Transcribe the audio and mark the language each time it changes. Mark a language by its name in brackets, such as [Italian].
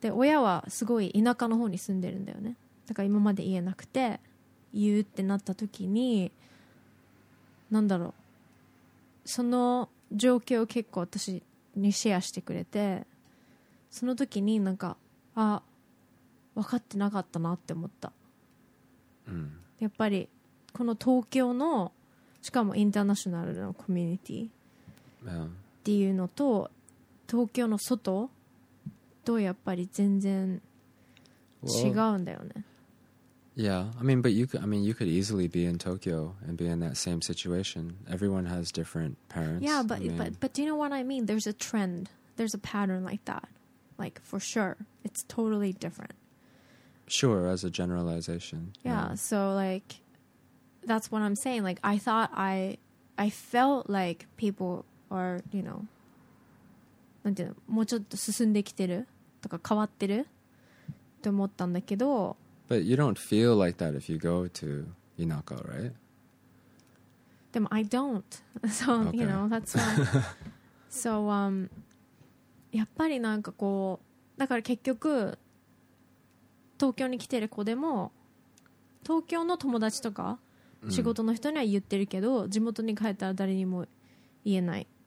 [Japanese] で親はすごい田舎の方に住んでるんだよね。だから今まで言えなくて言うってなった時に、なんだろう、その状況を結構私にシェアしてくれて、その時になんかあ分かってなかったなって思った、うん、やっぱりこの東京のしかもインターナショナルのコミュニティっていうのと東京の外とやっぱり全然違うんだよね。 [English] Yeah, I mean, but you could easily be in Tokyo and be in that same situation. Everyone has different parents. Yeah, but do you know what I mean? There's a trend. There's a pattern like that. Like, for sure. It's totally different. Sure, as a generalization. Yeah, so like, that's what I'm saying. Like, I thought I felt like people... Or, you know, [Japanese] なんていうの、もうちょっと進んできてるとか変わってるって思ったんだけど。 [English] But you don't feel like that if you go to Inaka, right? [Japanese] でも [English] I don't. So,、okay. you know, that's why. [Japanese] So, やっぱりなんかこう、だから結局、東京に来てる子でも、東京の友達とか、仕事の人には言ってるけど、地元に帰ったら誰にも言えない。